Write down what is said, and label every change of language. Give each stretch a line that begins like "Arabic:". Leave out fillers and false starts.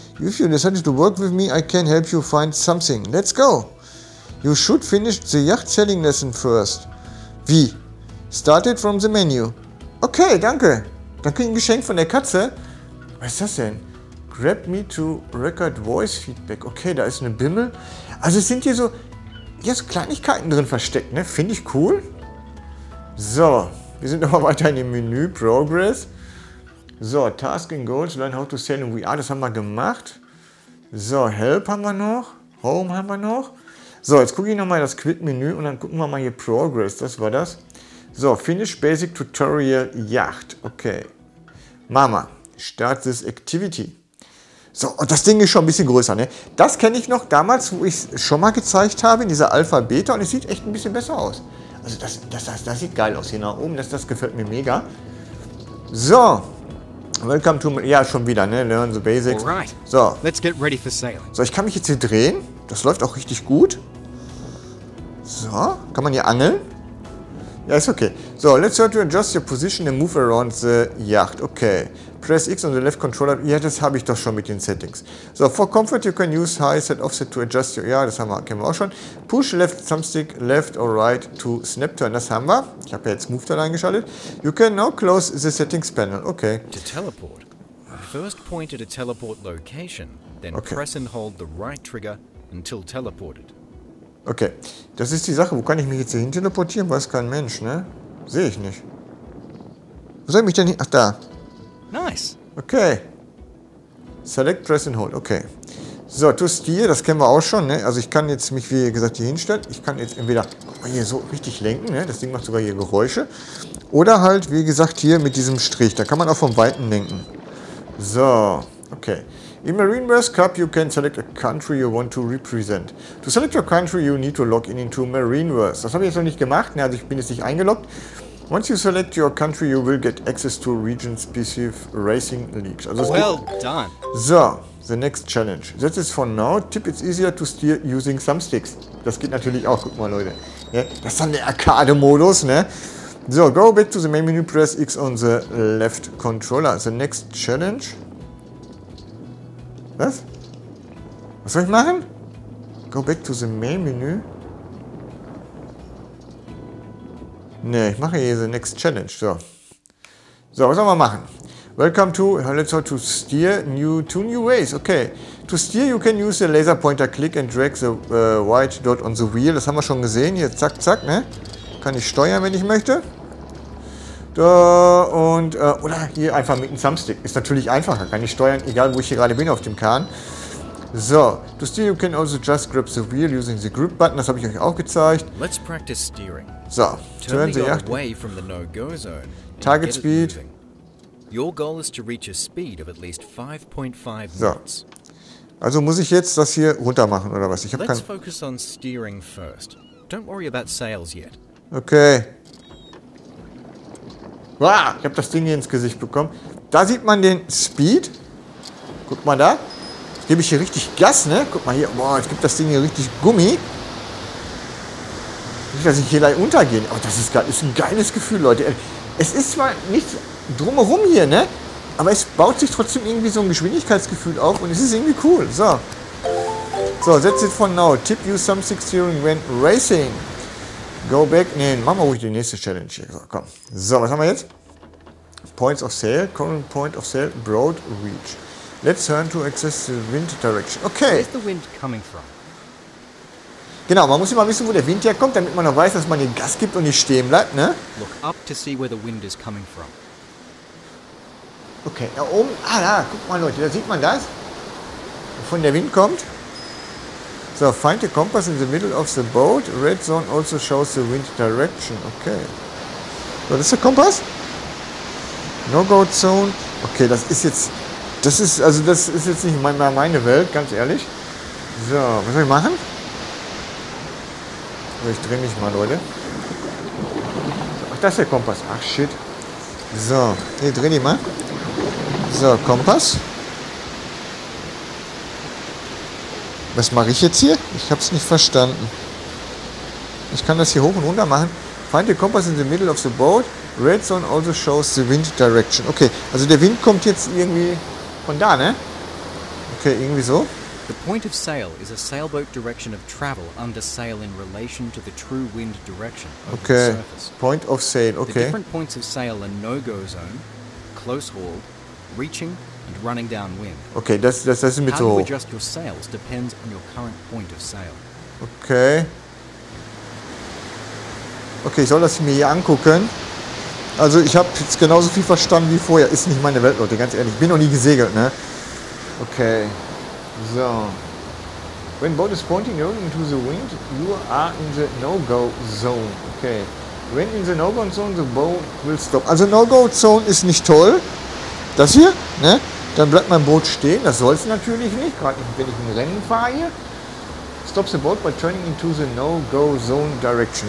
English: If you decide to work with me, I can help you find something. Let's go. You should finish the yacht selling lesson first.
German: Wie?
English: Started from the menu. Okay,
German: danke. Dann krieg ich ein Geschenk von der Katze. Was ist das denn?
English: Grab me to record voice feedback.
German: Okay, da ist eine Bimmel. Also es sind hier so Kleinigkeiten drin versteckt, ne? Finde ich cool. So, wir sind nochmal weiter in dem Menü.
English: Progress. So, Task and Goals. Learn how to sail in VR.
German: Das haben wir gemacht. So, Help haben wir noch. Home haben wir noch. So, jetzt gucke ich nochmal das Quick-Menü und dann gucken wir mal hier Progress. Das war das.
English: So, Finish Basic Tutorial Yacht. Okay. Mama, start this activity.
German: So, und das Ding ist schon ein bisschen größer, ne? Das kenne ich noch damals, wo ich es schon mal gezeigt habe, in dieser Alpha Beta, und es sieht echt ein bisschen besser aus. Also das sieht geil aus hier nach oben, das gefällt mir mega.
English: So, welcome to,
German: ja, schon wieder, ne?
English: Learn the basics. Alright, so. Let's get ready for sailing.
German: So, ich kann mich jetzt hier drehen, das läuft auch richtig gut. So, kann man hier angeln? Ja, ist okay.
English: So, let's try to adjust your position and move around the yacht. Okay. Press X on the left controller.
German: Ja, das habe ich doch schon mit den Settings.
English: So, for comfort you can use high set offset to adjust your...
German: Ja, das haben wir, kennen wir auch schon.
English: Push left thumbstick left or right to snap turn.
German: Das haben wir. Ich habe ja jetzt Move Turn eingeschaltet.
English: You can now close the settings panel. Okay. To teleport, first point at a teleport location, then okay. Press and hold the right trigger until teleported.
German: Okay, das ist die Sache. Wo kann ich mich jetzt hier hin teleportieren? Weiß kein Mensch, ne? Sehe ich nicht. Wo soll ich mich denn hin? Ach, da.
English: Nice. Okay. Select, press and hold. Okay.
German: So,
English: to steer,
German: das kennen wir auch schon, ne? Also ich kann jetzt mich, wie gesagt, hier hinstellen. Ich kann jetzt entweder hier so richtig lenken, ne? Das Ding macht sogar hier Geräusche. Oder halt, wie gesagt, hier mit diesem Strich. Da kann man auch vom Weiten lenken. So, okay.
English: In Marine World Cup, you can select a country you want to represent. To select your country, you need to log in into Marine World.
German: Das habe ich jetzt noch nicht gemacht, ne? Also ich bin jetzt nicht eingeloggt.
English: Once you select your country, you will get access to region-specific racing leagues. Also well done. So, the next challenge. That is for now. Tip, it's easier to steer using thumbsticks.
German: Das geht natürlich auch. Guck mal, Leute. Ja, das ist dann der Arcade-Modus, ne?
English: So, go back to the main menu, press X on the left controller. The next challenge.
German: Was? Was soll ich machen?
English: Go back to the main menu.
German: Ne, ich mache hier
English: the next challenge.
German: So. So, was sollen wir machen?
English: Welcome to let's try to steer two new ways. Okay. To steer you can use the laser pointer, click and drag the white dot on the wheel.
German: Das haben wir schon gesehen. Hier zack, zack, ne? Kann ich steuern, wenn ich möchte. Da und oder hier einfach mit einem Thumbstick. Ist natürlich einfacher. Kann ich steuern, egal wo ich hier gerade bin auf dem Kahn.
English: So, to steer you can also just grip the wheel using the grip button.
German: Das habe ich euch auch gezeigt.
English: Let's practice steering. So, turn the yacht away from the no-go zone. Target speed. Your goal is to reach a speed of at least 5.5 knots.
German: Also muss ich jetzt das hier runter machen oder was? Ich habe keinen.
English: Let's focus on steering first. Don't worry about sails yet. Okay.
German: Wow, ich habe das Ding hier ins Gesicht bekommen. Da sieht man den Speed. Guck mal da. Jetzt gebe ich hier richtig Gas, ne? Guck mal hier. Boah, jetzt gibt das Ding hier richtig Gummi. Nicht, dass ich hier gleich untergehe. Oh, das ist geil. Ist ein geiles Gefühl, Leute. Es ist zwar nicht drumherum hier, ne? Aber es baut sich trotzdem irgendwie so ein Geschwindigkeitsgefühl auf und es ist irgendwie cool.
English: So. So, that's it for now. Tip you some six steering when racing. Go back.
German: Nee, machen wir ruhig die nächste Challenge hier. So, komm. So, was haben wir jetzt?
English: Points of sail. Current point of sail. Broad reach. Let's turn to access the wind direction. Okay. Where's the wind coming from?
German: Genau, man muss immer wissen, wo der Wind herkommt, damit man auch weiß, dass man hier Gas gibt und nicht stehen bleibt, ne?
English: Look up to see where the wind is coming from.
German: Okay, da oben. Ah, da. Guck mal, Leute. Da sieht man das. Wovon der Wind kommt.
English: So, find the compass in the middle of the boat. Red zone also shows the wind direction. Okay.
German: So, das ist der Kompass.
English: No-go zone. Okay,
German: das ist jetzt... Das ist jetzt nicht meine Welt, ganz ehrlich. So, was soll ich machen? So, ich drehe mich mal, Leute. Ach, das ist der Kompass. Ach, shit. So, hier, dreh dich mal. So, Kompass. Was mache ich jetzt hier? Ich habe es nicht verstanden. Ich kann das hier hoch und runter machen.
English: Find the compass in the middle of the boat. Red zone also shows the wind direction.
German: Okay, also der Wind kommt jetzt irgendwie von da, ne? Okay, irgendwie so.
English: The point of sail is a sailboat direction of travel under sail in relation to the true wind direction. Okay, point of sail, okay. The different points of sail are no-go zone, close hauled, reaching, and running downwind.
German: Okay, das ist mit so.
English: How you adjust your sails depends on your current point of sail. Okay.
German: Okay, ich soll das mir hier angucken. Also ich habe jetzt genauso viel verstanden wie vorher. Ist nicht meine Welt, Leute, ganz ehrlich. Ich bin noch nie gesegelt, ne? Okay. So.
English: When boat is pointing down into the wind, you are in the no-go zone. Okay. When in the no-go zone, the boat will stop.
German: Also no-go zone ist nicht toll. Das hier, ne? Dann bleibt mein Boot stehen. Das soll es natürlich nicht, gerade wenn ich ein Rennen fahre hier.
English: Stops the boat by turning into the no-go-zone direction.